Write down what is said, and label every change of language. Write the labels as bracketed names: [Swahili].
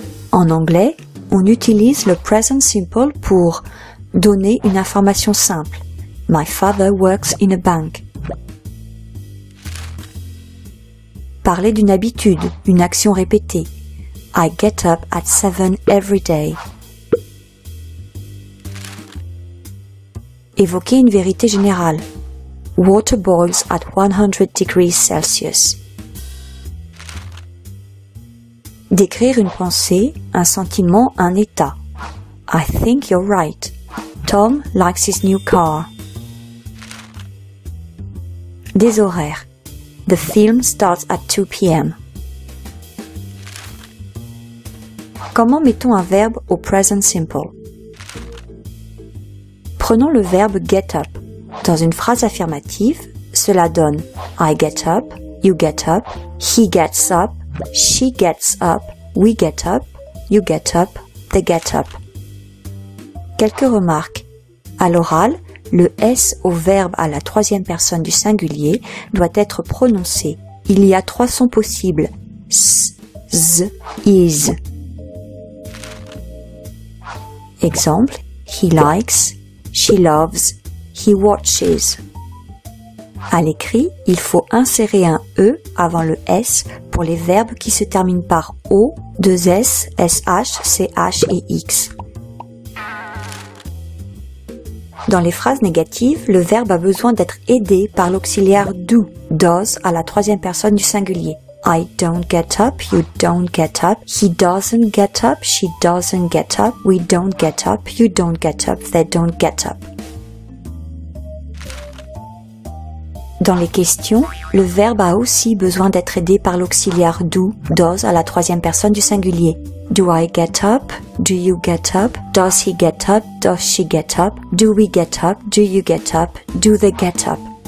[French] En anglais, on utilise le present simple pour donner une information simple. [English] My father works in a bank. [French] Parler d'une habitude, une action répétée. [English] I get up at 7 every day. [French] Évoquer une vérité générale. [English] Water boils at 100 degrees Celsius. [French] Décrire une pensée, un sentiment, un état. [English] I think you're right. Tom likes his new car. [French] Des horaires. [English] The film starts at 2 p.m. [French] Comment mettons un verbe au present simple? Prenons le verbe get up. Dans une phrase affirmative, cela donne [English] I get up, you get up, he gets up, she gets up, we get up, you get up, they get up. [French] Quelques remarques. À l'oral, le S au verbe à la troisième personne du singulier doit être prononcé. Il y a trois sons possibles. S, z, is. [English] Exemple, he likes, she loves, he watches. [French] À l'écrit, il faut insérer un E avant le S pour les verbes qui se terminent par O, 2S, SH, CH et X. Dans les phrases négatives, le verbe a besoin d'être aidé par l'auxiliaire do, does, à la troisième personne du singulier. [English] I don't get up, you don't get up, he doesn't get up, she doesn't get up, we don't get up, you don't get up, they don't get up. [French] Dans les questions, le verbe a aussi besoin d'être aidé par l'auxiliaire do, does, à la troisième personne du singulier. [English] Do I get up? Do you get up? Does he get up? Does she get up? Do we get up? Do you get up? Do they get up?